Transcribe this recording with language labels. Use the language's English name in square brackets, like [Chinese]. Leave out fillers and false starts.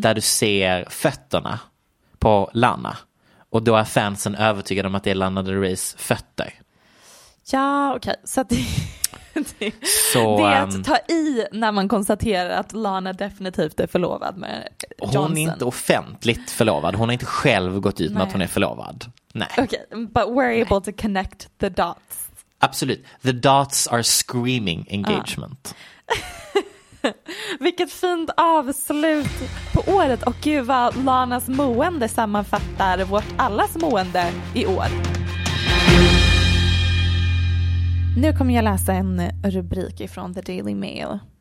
[Swedish] Där du ser fötterna på Lana. Och då är fansen övertygade om att det är Lana Del Reys fötter. Ja, okej. Okay. Så att det är att ta i när man konstaterar att Lana definitivt är förlovad med Johnson. Hon är inte offentligt förlovad. Hon har inte själv gått ut med att hon är förlovad. Nej. [English] Okej, okay, but we're able to connect the dots. Absolut. The dots are screaming engagement. [Swedish] Vilket fint avslut på året. Och gud vad Lanas mående sammanfattar vårt allas mående i år. Nu kommer jag läsa en rubrik ifrån The Daily Mail.